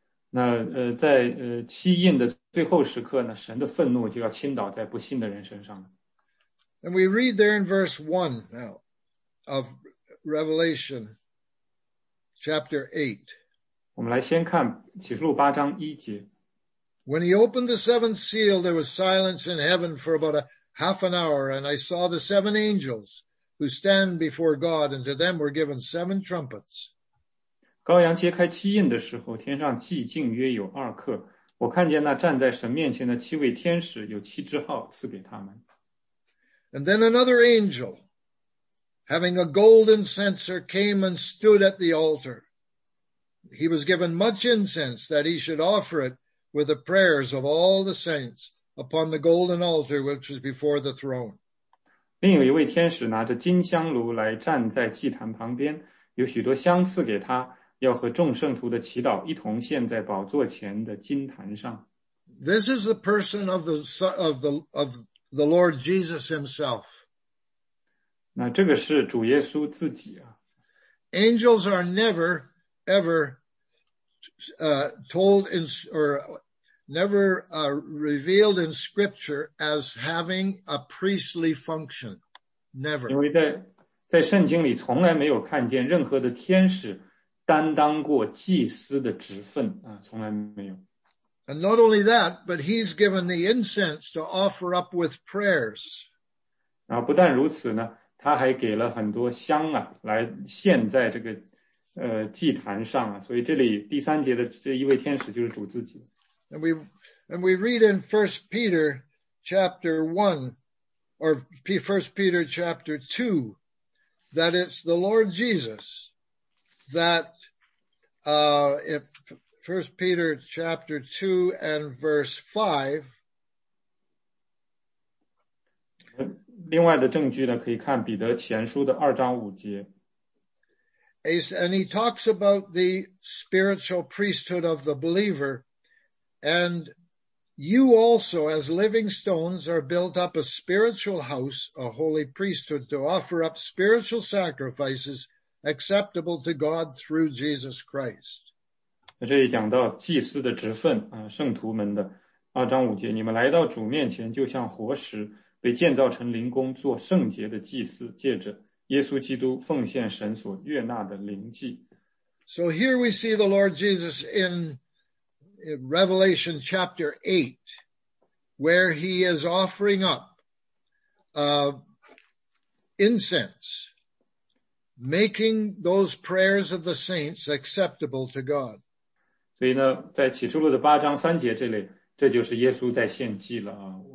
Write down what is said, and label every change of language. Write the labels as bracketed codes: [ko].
[zh] 那在七印的最后时刻呢，神的愤怒就要倾倒在不信的人身上了。 [en] And we read there in verse 1 now of Revelation chapter 8. [zh] 我们来先看启示录八章一节。 [en] When he opened the seventh seal, there was silence in heaven for about half an hour, and I saw the seven angels who stand before God, and to them were given seven trumpets. [zh] 羔羊揭开七印的时候，天上寂静约有二刻。我看见那站在神面前的七位天使，有七支号赐给他们。 [en] And then another angel, having a golden censer, came and stood at the altar. He was given much incense that he should offer it with the prayers of all the saints. Upon the golden altar which was before the throne. [zh] 另有一位天使拿着金香炉来站在祭坛旁边，有许多香赐给他，要和众圣徒的祈祷一同献在宝座前的金坛上。 [en] This is the person of the Lord Jesus himself. [zh] 那这个是主耶稣自己啊。 [en] Angels are never, ever, told in, or never, revealed in scripture as having a priestly function. Never. [zh] 因为在圣经里从来没有看见任何的天使担当过祭司的职分啊，从来没有。 [en] And not only that, but he's given the incense to offer up with prayers. [zh] 然后不但如此呢，他还给了很多香啊，来献在这个祭坛上啊。所以这里第三节的这一位天使就是主自己。 [en] And we read in 1 Peter chapter 1, or 1 Peter chapter 2, that it's the Lord Jesus that, if 1 Peter chapter 2 and verse 5, [zh] 另外的证据呢，可以看彼得前书的二章五节。 [en] And he talks about the spiritual priesthood of the believer, and you also, as living stones, are built up a spiritual house, a holy priesthood, to offer up spiritual sacrifices acceptable to God through Jesus Christ. [zh] 这里讲到祭司的职分啊，圣徒们的二章五节，你们来到主面前，就像活石。被建造成灵宫做圣洁的祭司，借着耶稣基督奉献神所悦纳的灵祭。 [en] So here we see the Lord Jesus in Revelation chapter 8, where he is offering up incense, making those prayers of the saints acceptable to God. [zh] 所以呢，在启示录的八章三节这里，这就是耶稣在献祭了啊。